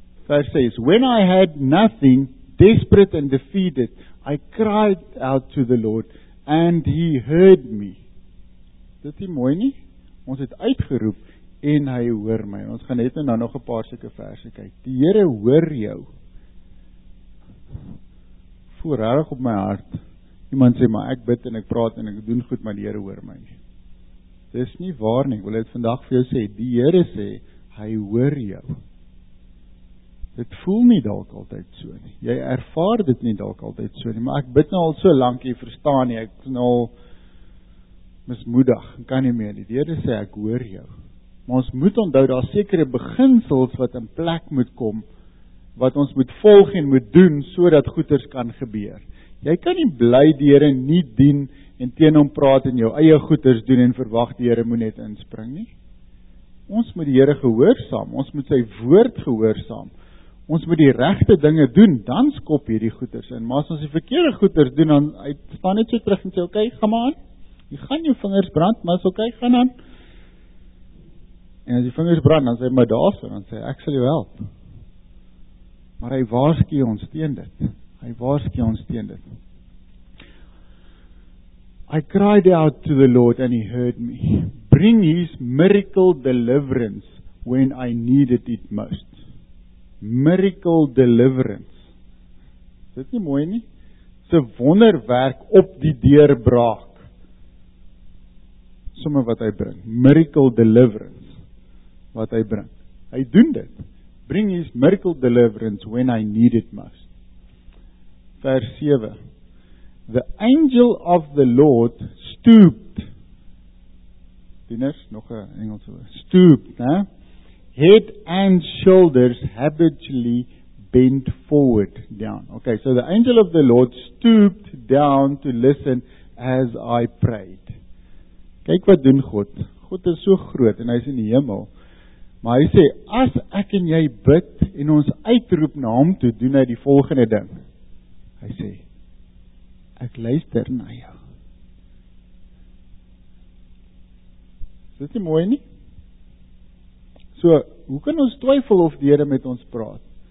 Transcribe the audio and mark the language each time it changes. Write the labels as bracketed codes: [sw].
[af] Hy sê, [en] when I had nothing, desperate and defeated, I cried out to the Lord, and he heard me. [af] Dit is mooi nie? Ons het uitgeroep, en hy hoor my. Ons gaan net nou nog 'n paar sulke verse kyk. Die Here hoor jou. Voorrarig op my hart. Iemand sê, maar ek bid en ek praat en ek doen goed, maar die Here hoor my. Dis nie waar nie, ek wil dit vandag vir jou sê, die Here sê, hy hoor jou. Dit voel nie dalk altyd so nie, jy ervaar dit nie dalk altyd so nie, maar ek bid nou al so lank, jy verstaan nie, ek is nou al mismoedig, kan nie meer nie, die Here sê, ek hoor jou. Maar ons moet onthou, daar sekere beginsels wat in plek moet kom, wat ons moet volg en moet doen, so dat goeders kan gebeur. Jy kan nie bly die Here nie dien, en teen hom praat en jou eie goeders doen en verwag die Here moet net inspring nie. Ons moet die Here gehoorsaam, ons moet sy woord gehoorsaam, ons moet die regte dinge doen, dan skop hierdie goeders in, maar as ons die verkeerde goeders doen, dan hy staan net so terug en sê, okay, ga maar aan, jy gaan jou vingers brand, maar is okay, gaan aan. En as die vingers brand, dan sê hy, maar daar so, dan sê hy, ek sal jou help. Maar hy waarsku ons teen dit, hy waarsku ons teen dit. [en] I cried out to the Lord and he heard me. Bring his miracle deliverance. when I needed it most. Miracle deliverance. [af] Is dit nie mooi nie? Se wonderwerk op die deurbraak. Sommige wat hy bring. [en] Miracle deliverance. [af] Wat hy bring. Hy doen dit. [en] Bring his miracle deliverance when I need it most. [af] Vers 7. [en] The angel of the Lord stooped. [af] Dieners, nog 'n Engelse woord. [en] Stooped, né? Head and shoulders habitually bent forward down. Okay, so the angel of the Lord stooped down to listen as I prayed. [af] Kyk wat doen God. God is so groot en hy is in die hemel. Maar hy sê, as ek en jy bid en ons uitroep na hom toe, doen hy die volgende ding. Hy sê, ek luister na jou. Is dit mooi nie? So, hoe kan ons twyfel of die Here met ons praat?